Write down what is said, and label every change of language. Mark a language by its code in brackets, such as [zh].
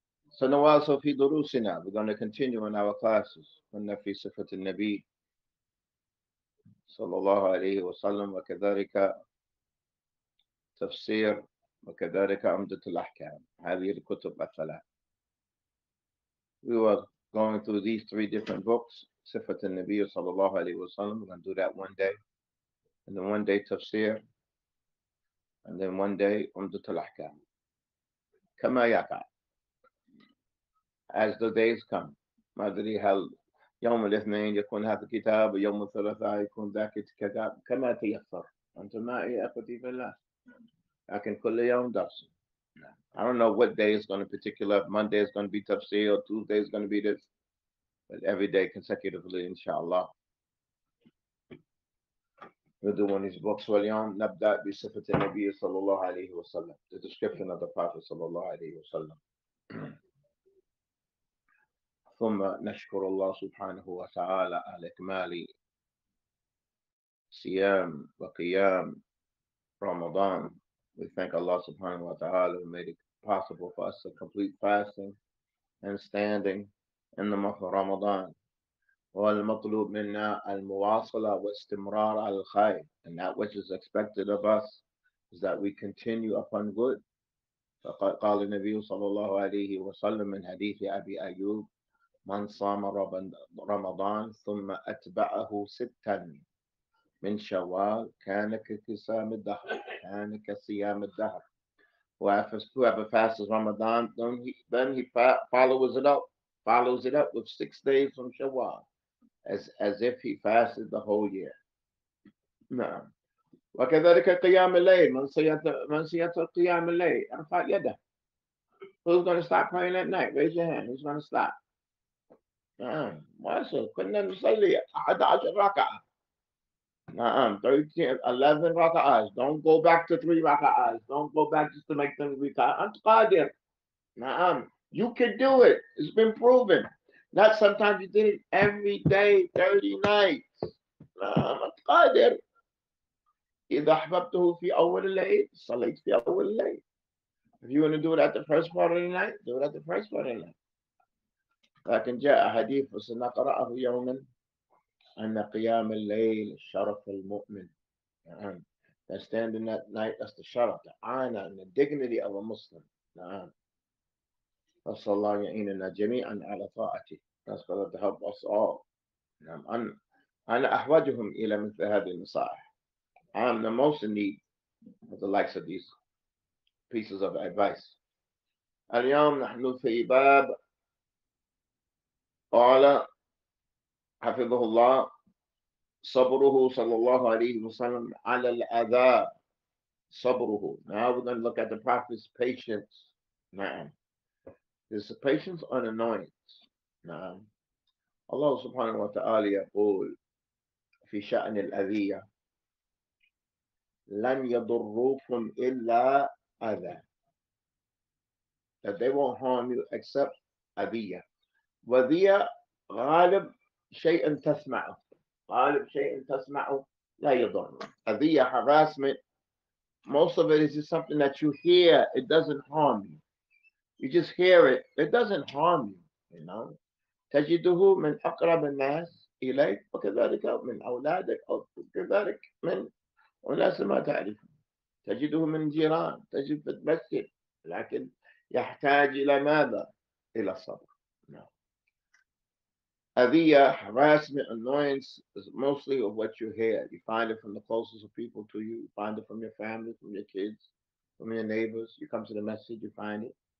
[ar] سنواصل في دروسنا. [en] We're going to continue in our classes. [ar] كنا في صفة النبي صلى الله عليه وسلم، وكذلك تفسير، وكذلك عمدة الأحكام. هذه الكتب الثلاث. [en] We were going through these three different books. صفة النبي صلى الله عليه وسلم. We're going to do that one day. And then one day تفسير. And then one day عمدة الأحكام. [ar] كما يقع. [en] As the days come. [ar] ما أدري هل يوم الاثنين يكون هذا الكتاب، ويوم الثلاثاء يكون ذاك الكتاب، كما تيسر. أنتم ما يا أخوتي في الله. لكن كل يوم درس. [en] I don't know what day is going to be particular. Monday is going to be tafsir, or Tuesday is going to be this. But every day consecutively, inshallah. We're doing these books. [ar] واليوم نبدأ بصفة النبي صلى الله عليه وسلم. [en] The description of the Prophet صلى الله عليه وسلم. [ar] ثم نشكر الله سبحانه وتعالى على إكمال صيام وقيام رمضان. [en] We thank Allah subhanahu wa ta'ala who made it possible for us to complete fasting and standing in the month of Ramadan. [ar] والمطلوب منا المواصلة واستمرار على الخير. [en] And that which is expected of us is that we continue upon good. [ar] فقال النبي صلى الله عليه وسلم من حديث أبي أيوب: من صام رمضان ثم أتبعه ستا من شوال كان كصيام الدهر. كان كصيام الدهر. [en] Whoever fasts Ramadan, then he follows it up with 6 days from Shawwal, as if he fasted the whole year. [ar] نعم. وكذلك قيام الليل. من سيت قيام الليل ارفع يده. [en] Who's going to stop praying at night? Raise your hand. Who's going to stop? نعم. [ar] واسو كنا نصلي 11 ركعة. نعم 11 ركعات. [en] Don't go back to 3 ركعات. Don't go back just to make them retire. [ar] أنت قادر. نعم. [en] You can do it. It's been proven. Not sometimes you did it every day, 30 nights. [ar] نعم. أنت قادر. إذا أحببته في أول الليل صليت في أول الليل. [en] If you want to do it at the first part of the night, do it at the first part of the night. [ar] لكن جاء حديث سنقرأه يوما أن قيام الليل شرف المؤمن. نعم. [en] That standing at night, that's the sharaf, the honor and the dignity of a Muslim. [ar] نعم. فصلى الله يعيننا جميعا على طاعته. [en] That's going to help us all. نعم. [ar] أنا أحوجهم إلى مثل هذه النصائح. [en] I'm the most in need of the likes of these pieces of advice. [ar] اليوم نحن في باب قال حفظه الله صبره صلى الله عليه وسلم على الأذى صبره. [en] Now we're going to look at the Prophet's patience. نعم. This is patience on annoyance. نعم. [ar] الله سبحانه وتعالى يقول في شأن الأذية: لن يضروكم إلا أذى. [en] That they won't harm you except أذية. [ar] وذية غالب شيء تسمعه، غالب شيء تسمعه لا يضر. [en] أذية harassment, most of it is just something that you hear. It doesn't harm you. You just hear it. It doesn't harm you. You know. [ar] تجده من أقرب الناس إليك وكذلك من أولادك أو كذلك من الناس ما تعرفه. تجده من جيران، تجده في المسجد، لكن يحتاج إلى ماذا؟ إلى الصبر. [en] Adhiya, harassment, annoyance is mostly of what you hear. You find it from the closest of people to you. You find it from your family, from your kids, from your neighbors. You come to the message, you find it.